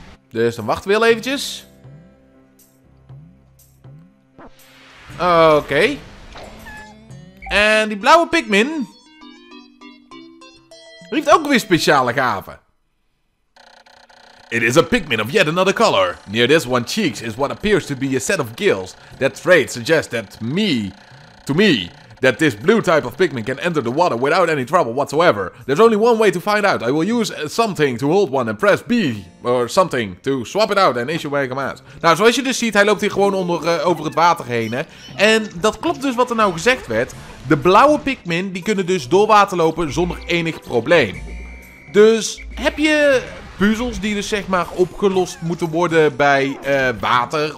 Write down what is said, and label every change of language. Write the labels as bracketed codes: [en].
[nl] Dus dan wachten we heel eventjes. Oké. En die blauwe Pikmin... Hij heeft ook weer speciale gaven. [en] It is a Pikmin of yet another color. Near this one cheeks is what appears to be a set of gills. That trait suggests that to me, that this blue type of Pikmin can enter the water without any trouble whatsoever. There's only one way to find out. I will use something to hold one and press B or something to swap it out and issue my commands. [nl] Nou, zoals je dus ziet, hij loopt hier gewoon over het water heen. Hè? En dat klopt dus wat er nou gezegd werd. De blauwe Pikmin, die kunnen dus door water lopen zonder enig probleem. Dus heb je puzzels die dus zeg maar opgelost moeten worden bij water?